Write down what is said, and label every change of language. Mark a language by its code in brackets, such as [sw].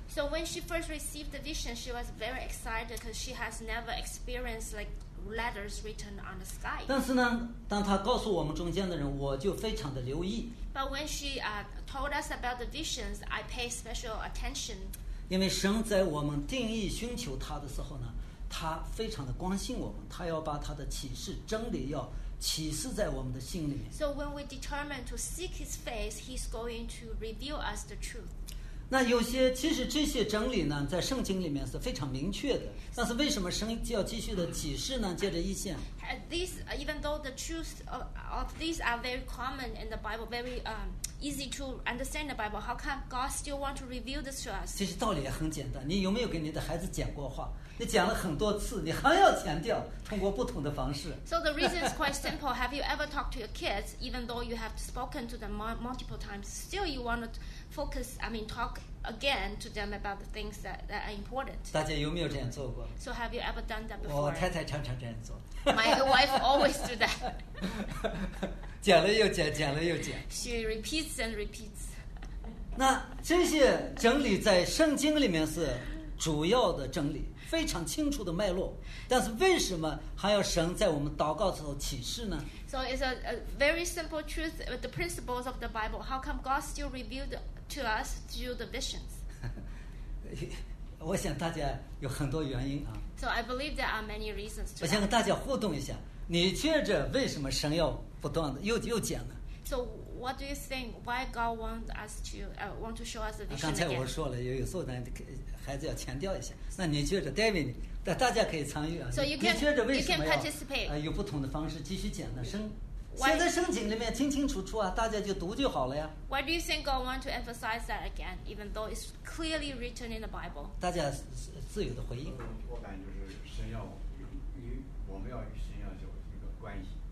[en] So when she first received the vision, she was very excited because she has never experienced like letters written on the sky. [zh] 但是呢，当他告诉我们中间的人，我就非常的留意。 [en] But when she told us about the visions, I pay special attention. [zh] 因为神在我们定义寻求他的时候呢，他非常的关心我们，他要把他的启示真理要启示在我们的心里面。 [en] So when we determine to seek his face, he's going to reveal us the truth. [zh] 那有些其实这些真理呢，在圣经里面是非常明确的。但是为什么神要继续的启示呢？借着异象。 [en] These even though the truth of these are very common in the Bible, very easy to understand the Bible, how come God still want to reveal this to us? [zh] 其实道理也很简单。你有没有给你的孩子讲过话？你讲了很多次，你还要强调，通过不同的方式。 [en] So the reason is quite simple. Have you ever talked to your kids, even though you have spoken to them multiple times, still you want to focus, talk again to them about the things that are important? [zh] 大家有没有这样做过？ [en] So have you ever done that before? [zh] 我太太常常这样做。 [en] My wife always do that. [zh] 讲了又讲，讲了又讲。 [en] She repeats and repeats. [zh] 那这些真理在圣经里面是主要的真理，非常清楚的脉络，但是为什么还要神在我们祷告时候启示呢？ [en] So it's a very simple truth, the principles of the Bible. How come God still revealed to us through the visions? [zh] 我想大家有很多原因啊。 [en] So I believe there are many reasons. [zh] 我想和大家互动一下，你觉着为什么神要不断的又讲呢？ [en] So what do you think? Why God wants us to want to show us the vision? [zh] 刚才我说了，有时候咱孩子要强调一下。那你觉得 David， 大家可以参与啊。 [en] So you can, [zh] 你觉得为什么 [en] you can participate. [zh] 有不同的方式继续讲呢？圣现在圣经里面清清楚楚啊，大家就读就好了呀。 [en] Why do you think God want to emphasize that again, even though it's clearly written in the Bible? [zh] 大家自由的回应。我感觉就是神要我们要与神要有一个关系。